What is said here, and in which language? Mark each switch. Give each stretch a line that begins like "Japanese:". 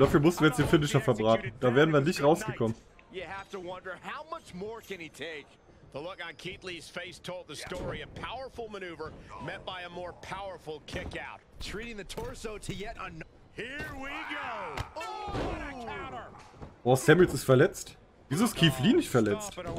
German: Dafür mussten wir jetzt den Finisher verbraten. Da wären wir nicht rausgekommen.
English: You have to wonder how much more can he take. The look on Keith Lee's face told the story. A powerful maneuver met by a more powerful kick out. Treating the torso to yet another. Here we go.
German: Oh, Samuels ist verletzt. Wieso ist Keith Lee nicht verletzt?